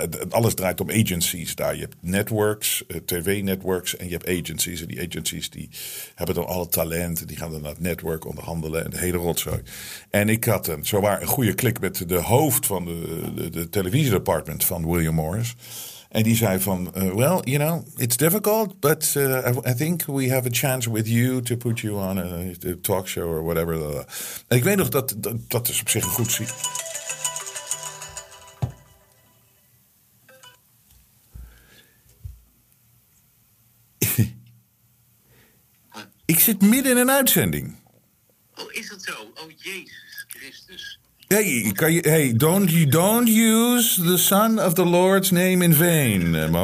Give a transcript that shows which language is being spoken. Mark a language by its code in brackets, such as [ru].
[nl] Alles draait om agencies daar. Je hebt networks, tv-networks en je hebt agencies. En die agencies die hebben dan alle talenten. Die gaan dan naar het netwerk onderhandelen en de hele rotzooi. En ik had zowaar een goede klik met de hoofd van de televisiedepartement van William Morris. En die zei van, [en] well, you know, it's difficult, but I think we have a chance with you to put you on a talk show or whatever. [nl] En ik weet nog dat is op zich een goed ziek. Ik zit midden in een uitzending. Oh, is dat zo? Oh, Jezus Christus. [en] Hey, don't use the son of the Lord's name in vain, Mo.